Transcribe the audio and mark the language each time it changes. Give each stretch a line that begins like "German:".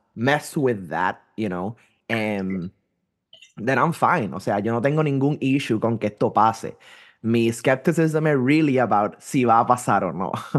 English: mess with that, you know, then I'm fine.
Spanish: O sea, yo no tengo ningún issue con que esto pase. Mi
English: skepticism is really about
Spanish: si va a pasar o no.